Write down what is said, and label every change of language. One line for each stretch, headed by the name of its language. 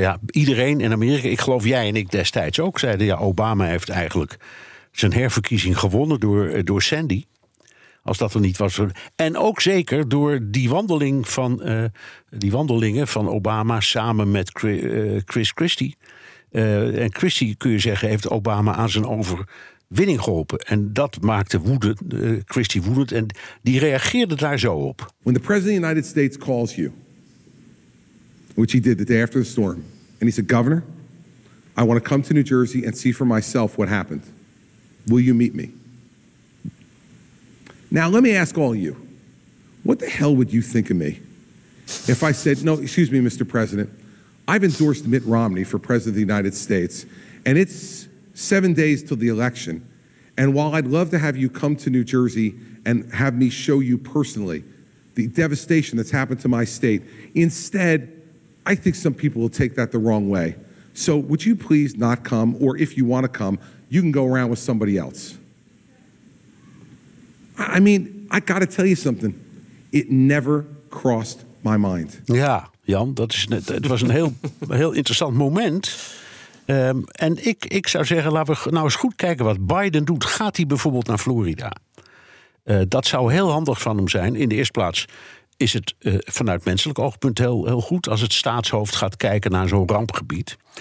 Dutch: Iedereen in Amerika, ik geloof jij en ik destijds ook... zeiden, ja, Obama heeft eigenlijk zijn herverkiezing gewonnen door Sandy... Als dat er niet was. En ook zeker door die wandeling van die wandelingen van Obama samen met Chris Christie. En Christie, kun je zeggen, heeft Obama aan zijn overwinning geholpen. En dat maakte Christie woedend. En die reageerde daar zo op.
English: When the president of the United States calls you, which he did the day after the storm, and he said, Governor, I want to come to New Jersey and see for myself what happened. Will you meet me? Now, let me ask all of you, what the hell would you think of me if I said, no, excuse me, Mr. President, I've endorsed Mitt Romney for President of the United States, and it's 7 days till the election, and while I'd love to have you come to New Jersey and have me show you personally the devastation that's happened to my state, instead, I think some people will take that the wrong way. So would you please not come, or if you want to come, you can go around with somebody else. I mean, I gotta tell you something. It never crossed my mind.
Dutch: Ja, Jan, het was een heel, heel interessant moment. En ik zou zeggen, laten we nou eens goed kijken wat Biden doet. Gaat hij bijvoorbeeld naar Florida? Dat zou heel handig van hem zijn. In de eerste plaats is het vanuit menselijk oogpunt heel, heel goed... als het staatshoofd gaat kijken naar zo'n rampgebied.